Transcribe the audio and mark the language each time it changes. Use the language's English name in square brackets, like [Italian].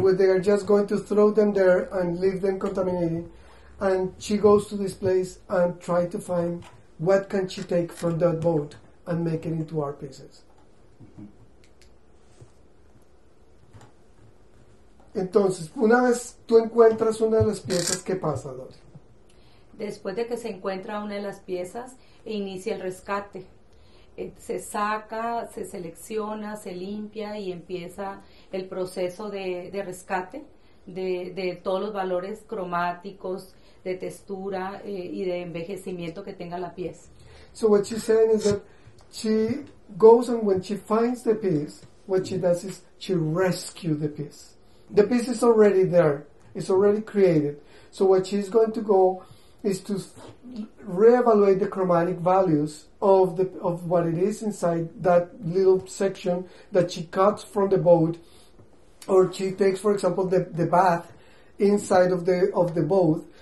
[English] where they are just going to throw them there and leave them contaminated, and she goes to this place and try to find what can she take from that boat and make it into art pieces. [Spanish] Entonces, una vez tú encuentras una de las piezas, ¿qué pasa, Dory? Después de que se encuentra una de las piezas, inicia el rescate. Se saca, se selecciona, se limpia y empieza el proceso de rescate de todos los valores cromáticos, de textura y de envejecimiento que tenga la pieza. [English] So what she's saying is that she goes and when she finds the piece, what she does is she rescues the piece. The piece is already there. It's already created. So what she's going to go is to reevaluate the chromatic values of what it is inside that little section that she cuts from the boat, or she takes, for example, the bath inside of the boat.